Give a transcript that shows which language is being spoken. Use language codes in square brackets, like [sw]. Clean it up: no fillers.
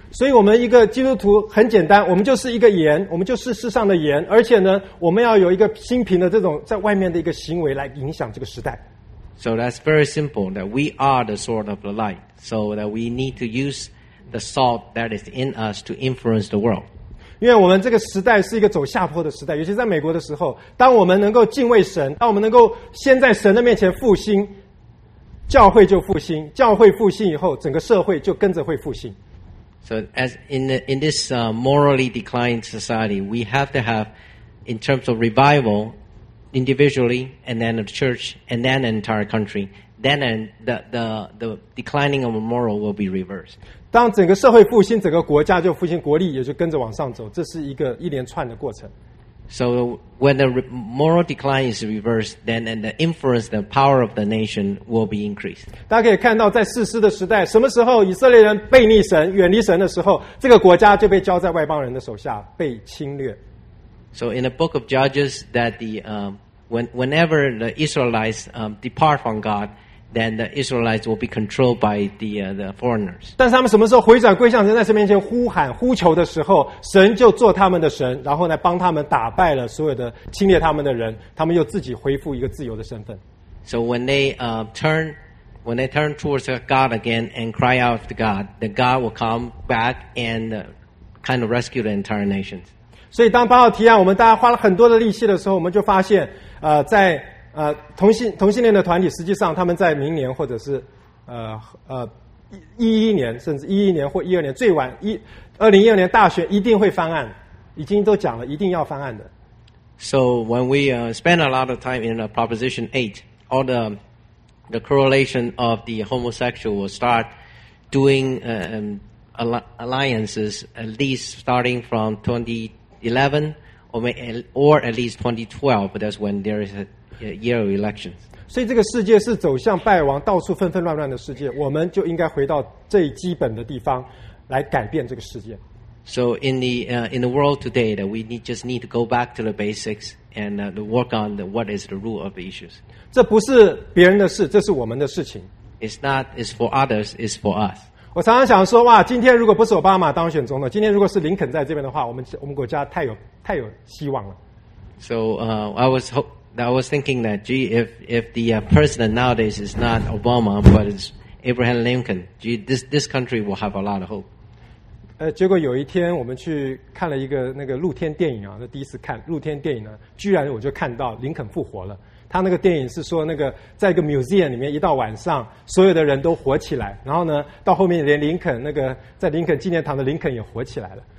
[zh] 所以我们一个基督徒很简单，我们就是一个盐，我们就是世上的盐，而且呢，我们要有一个心平的这种在外面的一个行为来影响这个时代。 [en] So that's very simple, that we are the salt of the light, so that we need to use the salt that is in us to influence the world. [zh] 因为我们这个时代是一个走下坡的时代，尤其在美国的时候，当我们能够敬畏神，当我们能够先在神的面前复兴，教会就复兴，教会复兴以后，整个社会就跟着会复兴。 [en] So as in this morally declined society, we have to have, in terms of revival, individually, and then the church, and then an entire country, then the declining of moral will be reversed. [zh] 当整个社会复兴，整个国家就复兴，国力也就跟着往上走，这是一个一连串的过程。 [en] So when the moral decline is reversed, then and the influence, the power of the nation will be increased. [zh] 大家可以看到，在士师的时代，什么时候以色列人背逆神、远离神的时候，这个国家就被交在外邦人的手下，被侵略。 [en] So in the book of Judges, that the whenever the Israelites depart from God. Then the Israelites will be controlled by the foreigners. [zh] 但是他们什么时候回转归向神，在神面前呼喊呼求的时候，神就做他们的神，然后呢帮他们打败了所有的侵略他们的人，他们又自己恢复一个自由的身份。 [en] So when they turn towards God again and cry out to God, the God will come back and kind of rescue the entire nations. [zh] 所以当巴奥提亚，我们大家花了很多的力气的时候，我们就发现，在。同性恋的团体，实际上他们在明年或者是11年，甚至11年或12年，最晚2012年大选一定会翻案，已经都讲了，一定要翻案的。 [en] So when we spend a lot of time in Proposition 8, all the correlation of the homosexual will start doing alliances at least starting from 2011 or at least 2012, but that's when there is a year of elections. [zh] 所以这个世界是走向败亡，到处纷纷乱乱的世界，我们就应该回到最基本的地方来改变这个世界。 [en] So in the world today, that we just need to go back to the basics and work on what is the root of the issues. [zh] 这不是别人的事，这是我们的事情。 [en] It's for others, it's for us. [zh] 我常常想说，哇，今天如果不是奥巴马当选总统，今天如果是林肯在这边的话，我们国家太有希望了。 [en] So I was thinking that, gee, if the president nowadays is not Obama, but it's Abraham Lincoln, gee, this country will have a lot of hope. [zh] 结果有一天我们去看了一个那个露天电影啊，那第一次看露天电影呢，居然我就看到林肯复活了。他那个电影是说那个在一个 museum 里面，一到晚上所有的人都活起来，然后呢到后面连林肯那个在林肯纪念堂的林肯也活起来了。